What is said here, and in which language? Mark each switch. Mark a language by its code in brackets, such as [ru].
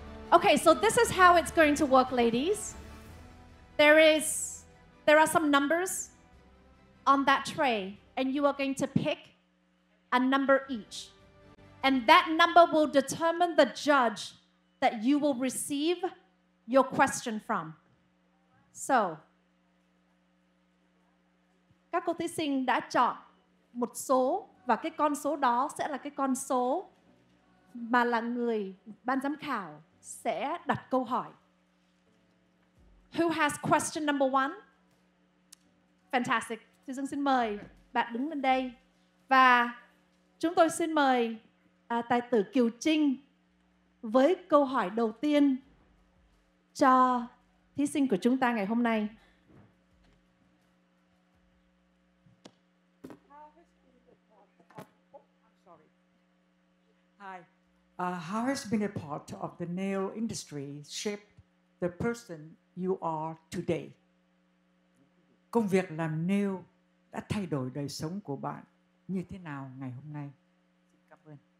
[en] Okay, so this is how it's going to work, ladies. There are some numbers on that tray, and you are going to pick a number each. And that number will determine the judge that you will receive your question from. [vi] So, các cô thí sinh đã chọn một số, và cái con số đó sẽ là cái con số mà là người ban giám khảo sẽ đặt câu hỏi. [en] Who has question number one? Fantastic. [vi] Thí sinh xin mời bạn đứng lên đây. Và chúng tôi xin mời tài tử Kiều Trinh với câu hỏi đầu tiên cho thí sinh của chúng ta ngày hôm nay. [en] How has being a part of the nail industry shaped the person you are today? [vi] Công việc làm nail đã thay đổi đời sống của bạn như thế nào ngày hôm nay? Cảm ơn.